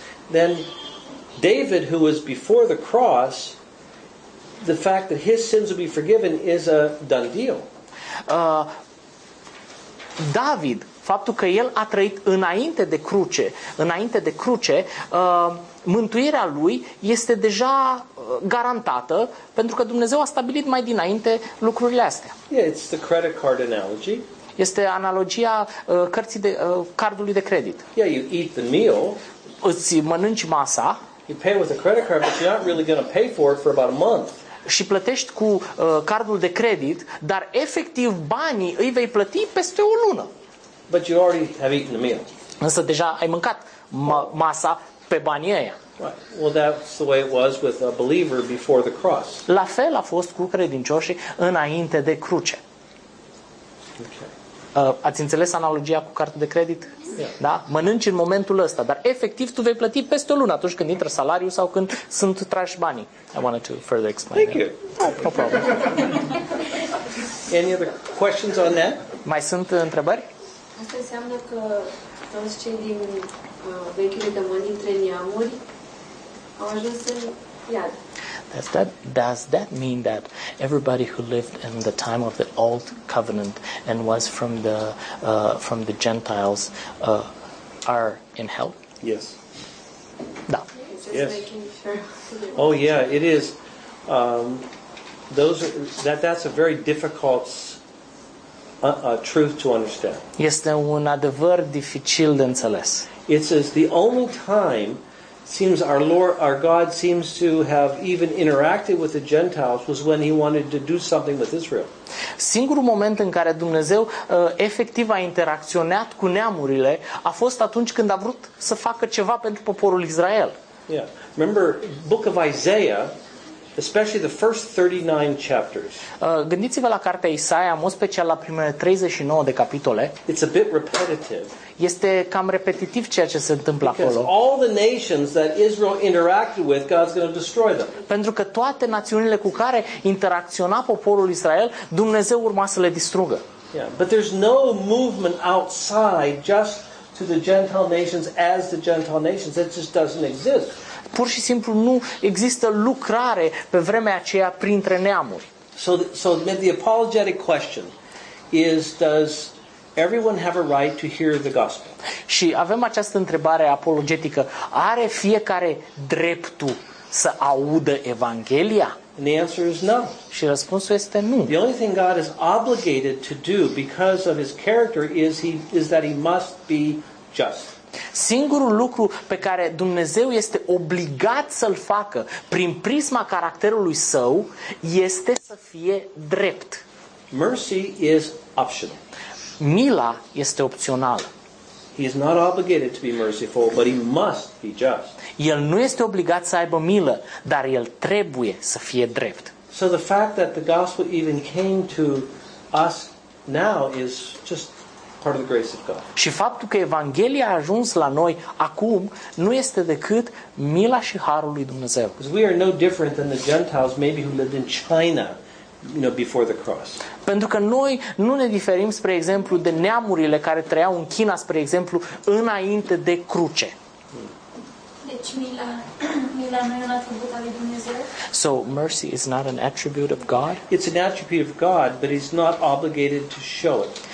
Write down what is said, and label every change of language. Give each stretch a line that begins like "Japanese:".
English: Then David, who was before the cross, the fact that his sins will be forgiven is a done deal.
Romanian: David, faptul că el a trăit înainte de cruce, mântuirea lui este deja garantată pentru că Dumnezeu a stabilit mai dinainte lucrurile astea.
English: Yeah, it's the credit card analogy.
Romanian: Este analogia cărții de cardului de credit.
English: Yeah, you eat the meal.
Romanian: Îți mănânci masa.
English: You pay with a credit card, but you're not really going to pay for it for about a month.
Romanian: Și plătești cu cardul de credit, dar efectiv banii îi vei plăti peste o lună.
English: But you already have eaten the meal.
Romanian: Însă deja ai mâncat masa pe banii aia.
English: Right. Well, that's the way it was with a believer before the cross.
Romanian: La fel a fost cu credincioșii înainte de cruce.
English: Okay.
Romanian: Ați înțeles analogia cu cartea de credit? Da? Mănânci în momentul ăsta, dar efectiv tu vei plăti peste o lună atunci când intră salariul sau când sunt trași banii.
English: I wanted to further explain. Thank you. No, no problem. Any other questions on that?
Romanian: Mai sunt întrebări? Asta înseamnă că toți cei din vechile dămâni între neamuri au ajuns în iad.
English: Does that mean that everybody who lived in the time of the old covenant and was from the Gentiles are in hell? Yes.
Romanian: Da.
English: Just yes. Sure. Oh yeah, it is. That's a very difficult truth to understand.
Romanian: Este un adevăr dificil de înțeles.
English: It says the only time. Seems our Lord, our God seems to have even interacted with the Gentiles was when he wanted to do something with Israel.
Romanian: Singurul moment în care Dumnezeu efectiv a interacționat cu neamurile a fost atunci când a vrut să facă ceva pentru poporul Israel.
English: Yeah. Remember Book of Isaiah, especially the first 39 chapters.
Romanian: Gândiți-vă la cartea Isaia, în mod special la primele 39 de capitole.
English: It's a bit repetitive.
Romanian: Este cam repetitiv ceea ce se întâmplă acolo.
English: All the nations that Israel interacted with, God's going to destroy them.
Romanian: Pentru că toate națiunile cu care interacționa poporul Israel, Dumnezeu urma să le distrugă.
English: Yeah, but there's no movement outside just to the Gentile nations as the Gentile nations. That just doesn't exist.
Romanian: Pur și simplu nu există lucrare pe vremea aceea printre neamuri.
English: So the apologetic question is, does everyone have a right to hear the gospel?
Romanian: Și avem această întrebare apologetică. Are fiecare dreptul să audă Evanghelia?
English: And the answer is no.
Romanian: Și răspunsul este nu.
English: The only thing God is obligated to do because of his character is that he must be just.
Romanian: Singurul lucru pe care Dumnezeu este obligat să-l facă prin prisma caracterului său este să fie drept.
English: Mercy is optional.
Romanian: Mila este opțională.
English: He is not obligated to be merciful, but he must be just.
Romanian: El nu este obligat să aibă milă, dar el trebuie să fie drept.
English: So the fact that the gospel even came to us now is just part of the grace of God.
Romanian: Și faptul că Evanghelia a ajuns la noi acum nu este decât mila și harul lui Dumnezeu.
English: Because we are no different than the Gentiles maybe who lived in China. You know, before the cross.
Romanian: Pentru că noi nu ne diferim, spre exemplu, de neamurile care trăiau în China, spre exemplu, înainte de cruce. Deci mila nu e un atribut al lui Dumnezeu?
English: So mercy is not an attribute of God? It's an attribute of God, but he's not obligated to show it.